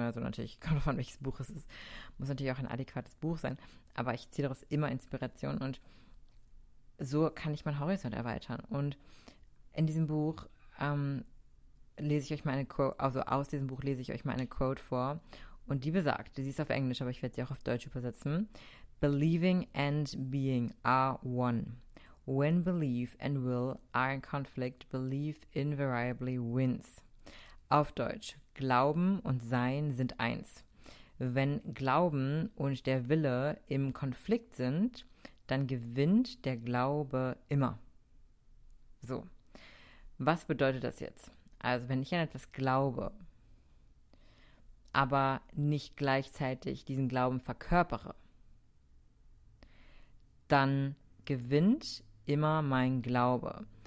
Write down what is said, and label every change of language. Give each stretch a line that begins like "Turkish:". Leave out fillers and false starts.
German: Also natürlich kommt davon, welches Buch es ist. Muss natürlich auch ein adäquates Buch sein, aber ich ziehe daraus immer Inspiration und so kann ich meinen Horizont erweitern. Und in diesem Buch lese ich euch meine Quote, also aus diesem Buch lese ich euch meine Quote vor und die besagt, sie ist auf Englisch, aber ich werde sie auch auf Deutsch übersetzen.
English: Believing and being are one. When belief and will are in conflict, belief invariably wins.
German: Auf Deutsch, Glauben und Sein sind eins. Wenn Glauben und der Wille im Konflikt sind, dann gewinnt der Glaube immer. So, was bedeutet das jetzt? Also wenn ich an etwas glaube, aber nicht gleichzeitig diesen Glauben verkörpere, dann gewinnt immer mein Glaube.